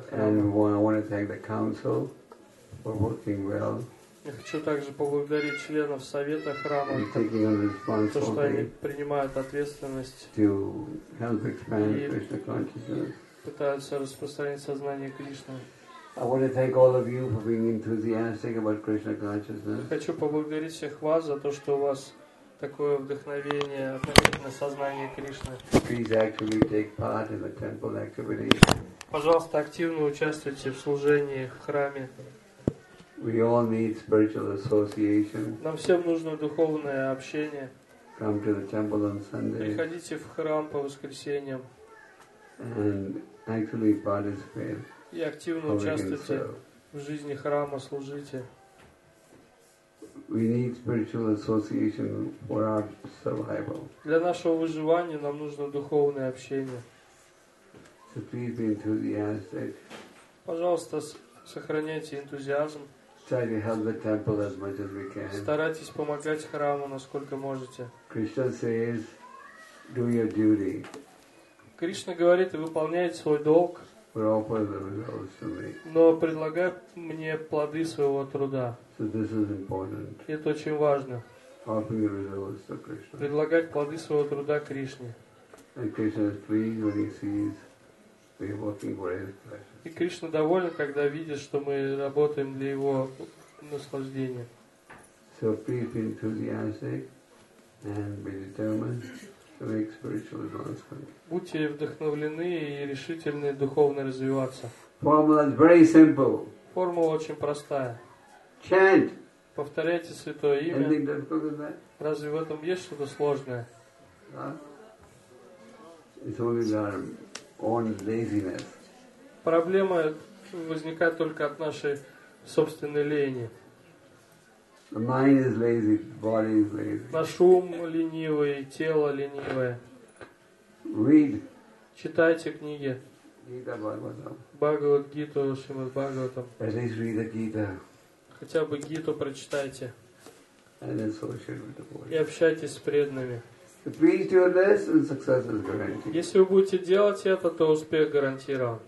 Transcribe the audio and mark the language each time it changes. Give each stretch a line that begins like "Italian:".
Russian: храма. Well. Я хочу также поблагодарить членов совета храма, то, что они принимают ответственность
English: to help expand и Krishna consciousness.
Russian: Пытаются распространить сознание Кришны.
English: I want to thank all of you for being enthusiastic about Krishna consciousness.
Russian: Я хочу поблагодарить всех вас за то, что у вас такое вдохновение относительно сознания Кришны.
English: Please actively take part in the temple activity.
Russian: Пожалуйста, активно участвуйте в служении в храме.
English: We all need spiritual association.
Russian: Нам всем нужно духовное общение.
English: Come to the temple on Sunday.
Russian: Приходите в храм по воскресеньям.
English: And actually participate.
Russian: И активно участвуйте в жизни храма, служите.
English: We need spiritual association for our survival.
Russian: Для нашего выживания нам нужно духовное общение.
English: So please be enthusiastic.
Russian: Пожалуйста, сохраняйте энтузиазм.
English: Try to help the temple as much as we can.
Russian: Старайтесь помогать храму, насколько можете.
English: Krishna says, do your duty.
Russian: Кришна говорит, выполняйте свой долг.
English: But offer the results to me.
Russian: Но предлагай мне плоды своего труда.
English: So this is important.
Russian: Это очень важно.
English: Offering the results to Krishna.
Russian: Предлагать плоды своего труда Кришне.
English: And Krishna is pleased when he sees we are working for his pleasure.
Russian: И Кришна доволен, когда видит, что мы работаем для его наслаждения.
English: So please be enthusiastic and be determined to make spiritual advancement.
Russian: Будьте вдохновлены и решительны духовно развиваться.
English: Formula is very simple.
Russian: Формула очень простая.
English: Chant.
Russian: Повторяйте святое имя.
English: Anything difficult in that?
Russian: Разве в этом есть что-то сложное?
English: It's only our own laziness.
Russian: Проблема возникает только от нашей собственной лени.
English: The mind is lazy, the body is lazy.
Russian: Наш ум ленивый, тело ленивое.
English: Read.
Russian: Читайте книги. Гита Бхагаватам. Бхагават Гиту, Шримад Бхагаватам.
English: At least read the Gita.
Russian: Хотя бы Гиту прочитайте.
English: And associate with the body.
Russian: И общайтесь с преданными.
English: So please do this and success is guaranteed.
Russian: Если вы будете делать это, то успех гарантирован.